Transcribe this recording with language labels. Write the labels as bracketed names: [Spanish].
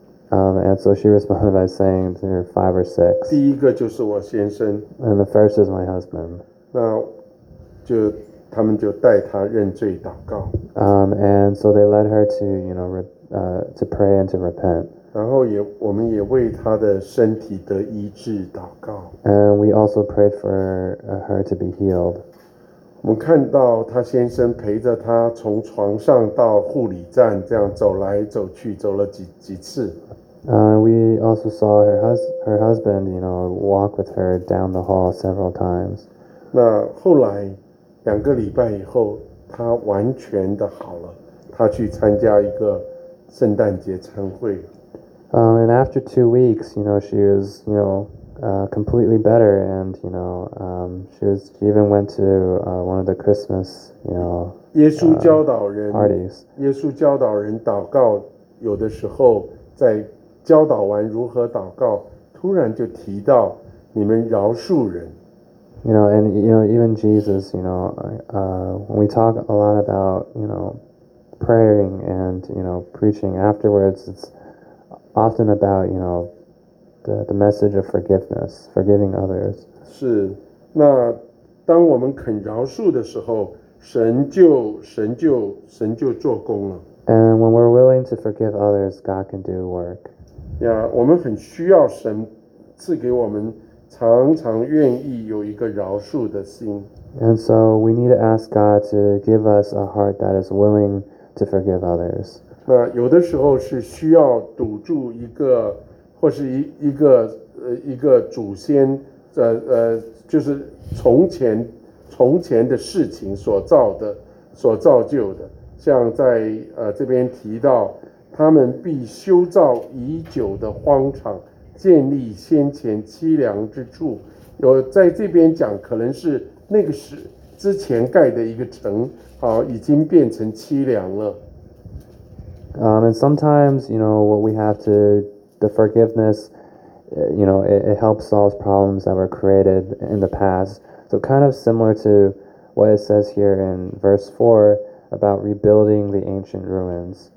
[English] And so she responded by saying there are 5 or 6. [Chinese] 第一个就是我先生。 [English] And the first is my husband. [Chinese] 那就他们就带她认罪祷告。 [English] And so they led her to, you know, to pray and to repent. [Chinese] 然后也我们也为她的身体的医治祷告。 [English] And we also prayed for her to be healed. [Chinese] 我们看到她先生陪着她从床上到护理站这样走来走去，走了几次。 [English] We also saw her husband, you know, walk with her down the hall several times. [Chinese] 那后来两个礼拜以后，他完全的好了。他去参加一个圣诞节餐会。 [English] And after 2 weeks, you know, she was, you know, completely better, and you know, she even went to one of the Christmas, you know, parties. [Chinese] 耶稣教导人，耶稣教导人祷告，有的时候在教导完如何祷告，突然就提到你们饶恕人。 [English] You know, and you know, even Jesus, you know, when we talk a lot about, you know, praying and, you know, preaching afterwards, it's often about, you know, the message of forgiveness, forgiving others. [Chinese] 是，那当我们肯饶恕的时候，神就做工了。 [English] And when we're willing to forgive others, God can do work. Yeah, [Chinese] 我们很需要神赐给我们常常愿意有一个饶恕的心。 [English] And so we need to ask God to give us a heart that is willing to forgive others. [Chinese] 那有的时候是需要堵住一个，或是一个祖先，就是从前的事情所造就的。像在这边提到，他们必修造已久的荒场，建立先前凄凉之处。有在这边讲，可能是那个是之前盖的一个城，已经变成凄凉了。 [English] And sometimes, you know, what we have to, the forgiveness, you know, it helps solve problems that were created in the past. So kind of similar to what it says here in verse 4 about rebuilding the ancient ruins.